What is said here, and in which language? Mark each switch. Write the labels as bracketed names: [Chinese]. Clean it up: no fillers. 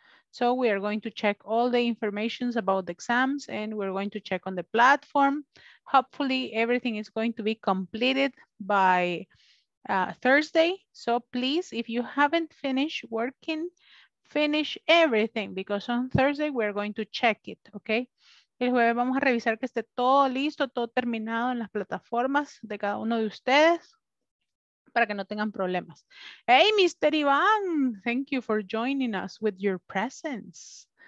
[English] So we are going to check all the information about the exams, and we're going to check on the platform. Hopefully everything is going to be completed by Thursday. So please, if you haven't finished working, finish everything, because on Thursday we're going to check it, okay? [Spanish] El jueves vamos a revisar que esté todo listo, todo terminado en las plataformas de cada uno de ustedes para que no tengan problemas. [English] Hey, Mr. Iván, thank you for joining us with your presence.